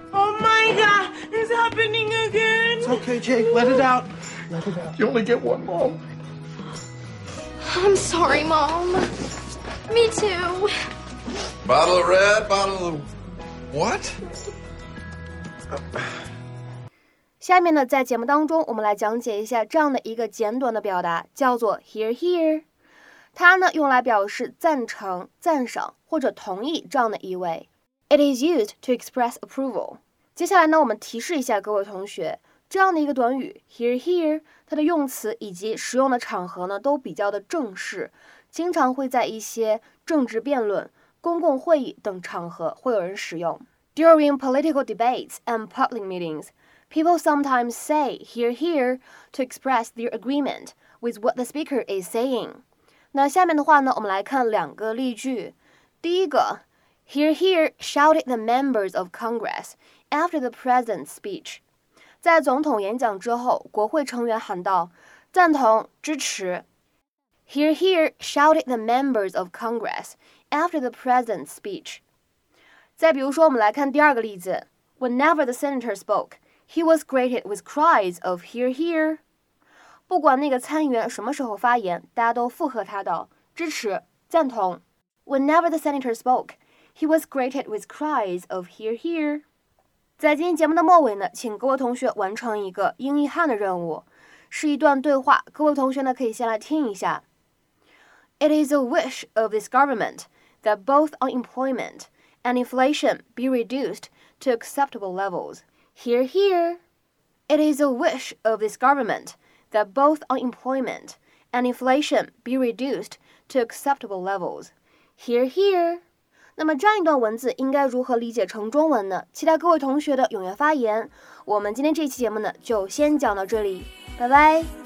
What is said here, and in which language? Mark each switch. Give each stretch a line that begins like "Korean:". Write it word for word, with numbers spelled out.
English: Oh, my God, it's happening again. It's okay, Jake, let it out. Let it out. You only get one, Mom. I'm sorry, Mom. Me too. Bottle of red, bottle of what?
Chinese: 下面呢，在节目当中，我们来讲解一下这样的一个简短的表达，叫做 here here。它呢，用来表示赞成、赞赏或者同意这样的意味。
English: It is used to express approval。
Chinese: 接下来呢，我们提示一下各位同学，这样的一个短语 here here， 它的用词以及使用的场合呢，都比较的正式，经常会在一些政治辩论。公共会议等场合会有人使用。
English: During political debates and public meetings, people sometimes say "here, here" to express their agreement with what the speaker is saying.
Chinese: 那下面的话呢，我们来看两个例句。第一个
English: ，"here, here" shouted the members of Congress after the president's speech.
Chinese: 在总统演讲之后，国会成员喊道：“赞同，支持。”
English: Here, here shouted the members of Congress. After the president's speech.
Chinese: 再比如说，我们来看第二个例子。
English: Whenever the senator spoke, he was greeted with cries of "Hear, hear!"
Chinese: 不管那个参议员什么时候发言，大家都附和他道支持、赞同。
English: Whenever the senator spoke, he was greeted with cries of "Hear, hear!"
Chinese: 在今天节目的末尾呢，请各位同学完成一个英译汉的任务，是一段对话。各位同学呢，可以先来听一下。
English: It is a wish of this government. That both unemployment and inflation be reduced to acceptable levels. Hear, hear. It is a wish of this government that both unemployment and inflation be reduced to acceptable levels. Hear, hear.
Chinese: 那么这样一段文字应该如何理解成中文呢？期待各位同学的踊跃发言。我们今天这期节目呢，就先讲到这里，拜拜。